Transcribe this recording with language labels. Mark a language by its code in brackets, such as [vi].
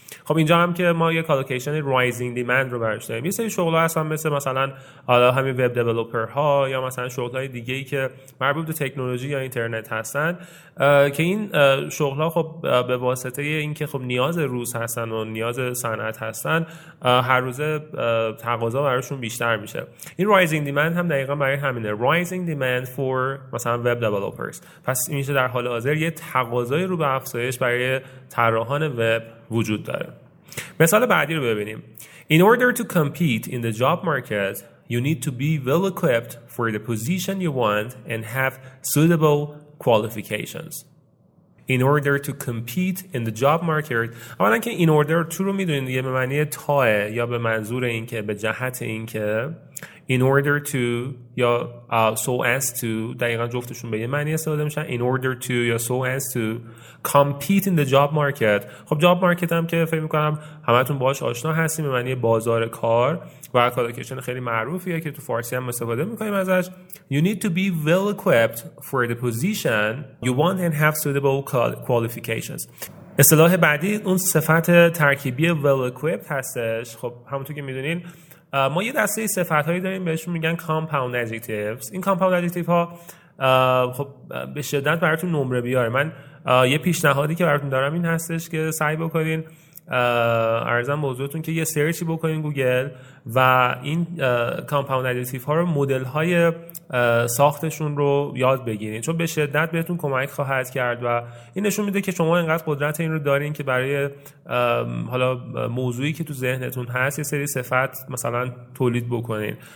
[fa] خب اینجا هم که ما یک کالوکیشن [en] rising demand [fa] رو براش داریم، یه سری شغل‌ها هستن مثلا حالا همین وب دیولپر ها یا مثلا شغل‌های دیگه‌ای که مربوط به تکنولوژی یا اینترنت هستن که این شغل‌ها خب به واسطه اینکه خب نیاز روز هستن و نیاز صنعت هستن هر روز تقاضا براشون بیشتر میشه. این رایزینگ دیمند هم دقیقا برای همینه، [en] rising demand for [fa] مثلا [en] Web developers. [fa] پس این میشه در حال حاضر یه تقاضای رو به افزایش برای طراحان وب وجود داره. مثال بعدی رو ببینیم. [en] In order to compete in the job market, you need to be well equipped for the position you want and have suitable qualifications. in order to compete in the job market. [fa] اولا که in order to رو میدونید یه به معنی تاه یا به منظور این که به جهت این که in order to یا [en] so as to دقیقا جفتشون به یه معنی استفاده میشن in order to یا so as to compete in the job market. [fa] خب job market هم که فکر میکنم همه تون باش آشنا هستیم به معنی بازار کار و کالوکیشن خیلی معروفیه که تو فارسی هم استفاده میکنیم ازش. [en] You need to be well equipped for the position you want and have suitable qualifications. [fa] اصطلاح بعدی اون صفت ترکیبی well equipped هستش. خب همونطور که میدونین ما یه دسته صفت هایی داریم بهشون میگن compound adjectives. این compound adjectives ها خب به شدت براتون نمره بیاره. من یه پیشنهادی که براتون دارم این هستش که سعی بکنین عرضم به حضورتون که یه سرچی بکنین گوگل و این compound adjectives ها رو مدل های ساختشون رو یاد بگیرین، چون به شدت بهتون کمک خواهد کرد و این نشون میده که شما اینقدر قدرت این رو دارین که برای حالا موضوعی که تو ذهنتون هست یه سری صفت مثلا تولید بکنین.